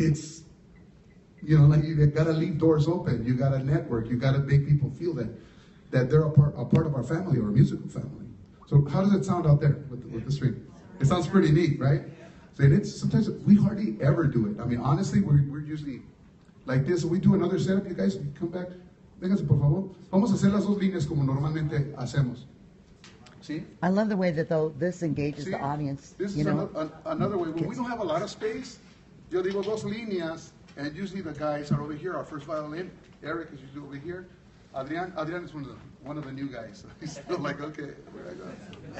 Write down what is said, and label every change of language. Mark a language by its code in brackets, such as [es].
[en] It's, you know, like you got to leave doors open. You got to network. You got to make people feel that they're a part of our family or a musical family. So how does it sound out there with the stream? It sounds pretty neat, right? So it's sometimes we hardly ever do it. I mean, honestly, we're usually like this. We do another setup. You guys, you come back. [es] Véngase, por favor. Vamos a hacer las dos líneas como normalmente hacemos. [en] I love the way that this engages the audience. This is another way. When we don't have a lot of space, [es] yo digo dos líneas, [en] and usually the guys are over here. Our first violin, Eric, is usually over here. Adrian is one of the new guys. He's still like, okay, where I go?